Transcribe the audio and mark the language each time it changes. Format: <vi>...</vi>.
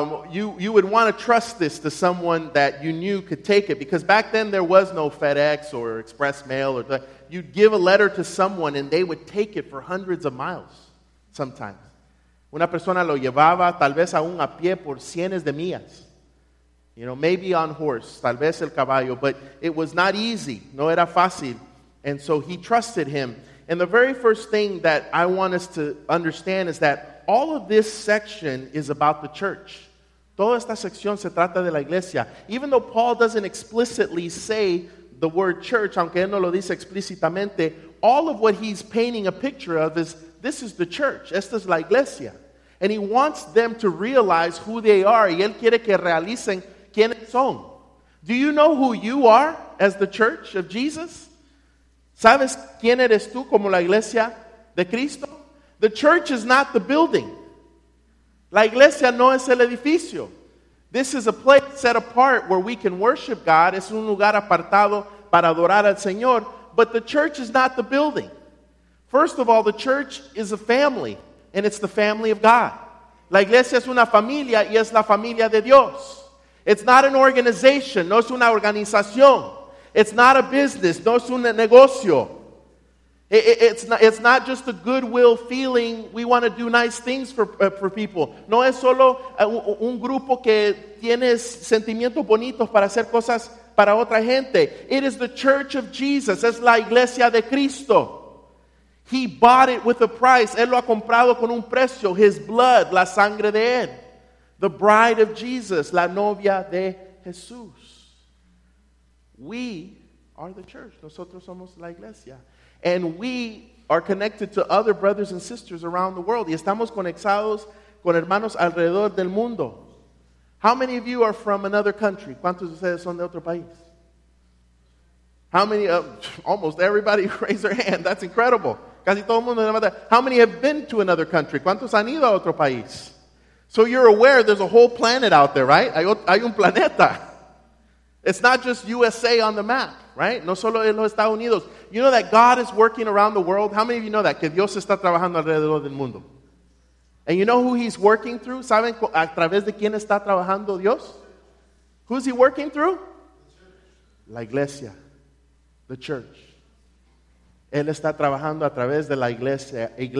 <en>you would want to trust this to someone that you knew could take it, because back then there was no FedEx or express mail. You'd give a letter to someone and they would take it for hundreds of miles sometimes.</en> <es>Una persona lo llevaba tal vez aún a pie por cientos de millas.</es> <en>You know, maybe on horse,</en> <es>tal vez el caballo,</es> <en>but it was not easy.</en> <es>No era fácil.</es> <en>And so he trusted him. And the very first thing that I want us to understand is that all of this section is about the church.</en> <es>Toda esta sección se trata de la iglesia.</es> <en>Even though Paul doesn't explicitly say the word church,</en> <es>aunque él no lo dice explícitamente,</es> <en>all of what he's painting a picture of is, this is the church,</en> <es>esta es la iglesia.</es> <en>And he wants them to realize who they are,</en> <es>y él quiere que realicen quiénes son.</es> <en>Do you know who you are as the church of Jesus?</en> <es>¿Sabes quién eres tú como la iglesia de Cristo?</es> <en>The church is not the building.</en> <es>La iglesia no es el edificio.</es> <en>This is a place set apart where we can worship God.</en> <es>Es un lugar apartado para adorar al Señor.</es> <en>But the church is not the building. First of all, the church is a family, and it's the family of God.</en> <es>La iglesia es una familia, y es la familia de Dios.</es> <en>It's not an organization.</en> <es>No es una organización.</es> <en>It's not a business.</en> <es>No es un negocio.</es> <en>It's not just a goodwill feeling. We want to do nice things for people.</en> <es>No es solo un grupo que tiene sentimientos bonitos para hacer cosas para otra gente.</es> <en>It is the church of Jesus.</en> <es>Es la iglesia de Cristo.</es> <en>He bought it with a price.</en> <es>Él lo ha comprado con un precio.</es> <en>His blood,</en> <es>la sangre de él.</es> <en>The bride of Jesus,</en> <es>la novia de Jesús.</es> <en>We are the church.</en> <es>Nosotros somos la iglesia.</es> <en>And we are connected to other brothers and sisters around the world.</en> <es>Y estamos conectados con hermanos alrededor del mundo.</es> <en>How many of you are from another country?</en> <es>¿Cuántos de ustedes son de otro país?</es> <en>How many? Almost everybody raised their hand. That's incredible.</en> <es>Casi todo el mundo.</es> <en>How many have been to another country?</en> <es>¿Cuántos han ido a otro país?</es> <en>So you're aware there's a whole planet out there, right?</en> <es>Hay un planeta.</es> <en>It's not just USA on the map, right?</en> <es>No solo en los Estados Unidos.</es> <en>You know that God is working around the world? How many of you know that?</en> <es>Que Dios está trabajando alrededor del mundo.</es> <en>And you know who he's working through?</en> <es>¿Saben a través de quién está trabajando Dios?</es> <en>Who's he working through?</en> <es>La iglesia.</es> <en>The church.</en> <es>Él está trabajando a través de la iglesia.</es>